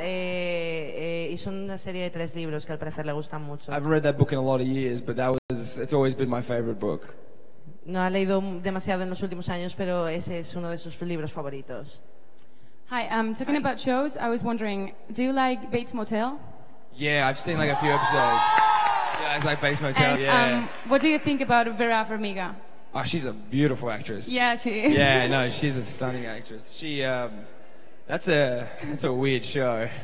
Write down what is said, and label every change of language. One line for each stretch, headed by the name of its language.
Spanish: Es una serie de tres libros que al parecer le gustan mucho.
English: I haven't read that book in a lot of years, but it's always been my favorite book.
Spanish: No ha leído demasiado en los últimos años, pero ese es uno de sus libros favoritos.
English: Hi, talking about shows, I was wondering, do you like Bates Motel? Yeah, I've seen like a few episodes. Yeah, it's like Bates Motel, What do you think about Vera Farmiga? Oh, she's a beautiful actress. Yeah, she is. Yeah, no, she's a stunning actress. She, that's a weird show.